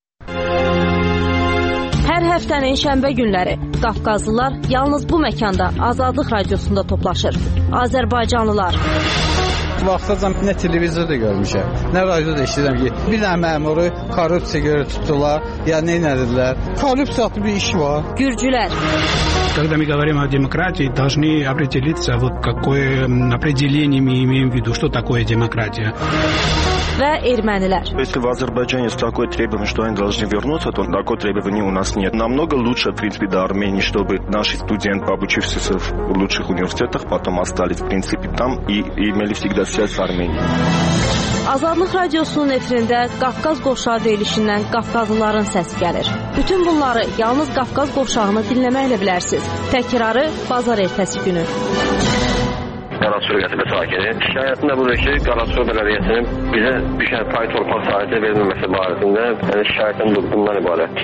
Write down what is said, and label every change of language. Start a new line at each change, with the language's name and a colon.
Azerbaijani: Hər həftənin şənbə günləri Qafqazlılar yalnız bu məkanda Azadlıq radiosunda toplaşır. Azərbaycanlılar. Vaxtacam nə televizorda görmüşəm, nə radioda işləyirəm ki, bir dənə məmuru korrupsiya görə tutdular, ya nə edirlər? Korrupsiya adlı bir iş var. Gürcülər.
Russian: Когда мы говорим о демократии, должны определиться, вот какое определение мы имеем в виду, что такое демократия.
Azerbaijani: Və ermənilər.
Russian: Если в Азербайджане есть такое требование, что они должны вернуться, то такое требование у нас нет. Намного лучше, в принципе, до Армении, чтобы наши студенты, обучившиеся в лучших университетах, потом остались, в принципе, там и имели всегда связь с Арменией.
Azerbaijani: Azadlıq radiosunun efirində Qafqaz qovşağı deyilişindən Qafqazlıların səsi gəlir. Bütün bunları yalnız Qafqaz qovşağını dinləməklə bilərsiniz. Təkrarı bazar ertəsi günü. Qaraçöy bələdiyyə sakini. Şikayətində budur ki, Qaraçöy bələdiyyəsinin bizə bir şey pay torpaq sahəsi verilməməsi barəsində yəni şikayətin durduğundan ibarət.